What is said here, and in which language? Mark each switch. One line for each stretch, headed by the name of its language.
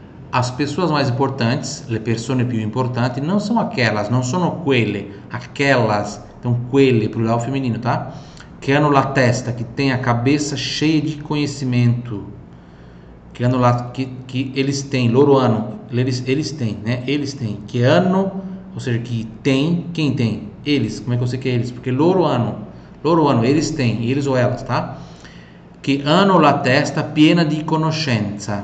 Portuguese: As pessoas mais importantes,
Italian: le persone più importanti, non sono
Portuguese: aquelas,
Italian: non sono quelle,
Portuguese: aquelas, então
Italian: quelle, plural femminile, tá? Che hanno la testa, che
Portuguese: tem a cabeça cheia
Italian: di conhecimento. Che hanno la,
Portuguese: che eles têm,
Italian: loro hanno,
Portuguese: eles têm, né? Eles têm.
Italian: Che hanno,
Portuguese: ou seja, que tem, quem tem? Eles, como é que eu sei que é eles? Porque
Italian: loro hanno,
Portuguese: eles têm, eles ou elas, tá?
Italian: Che hanno la testa piena di conoscenza.